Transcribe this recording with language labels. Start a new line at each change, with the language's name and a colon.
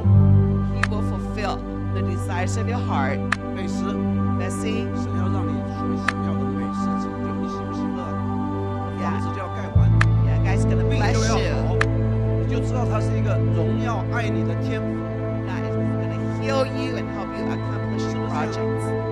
English: he will fulfill the desires of your heart.
Chinese: 美事,
English: let's see.
Chinese: 神要让你所想要的美事成就，你喜不喜乐？ Yeah. 房子就要盖完,
English: yeah, God's gonna bless you.
Chinese: 你就知道他是一个荣耀爱你的天父。
English: God is gonna heal you and help you accomplish your projects.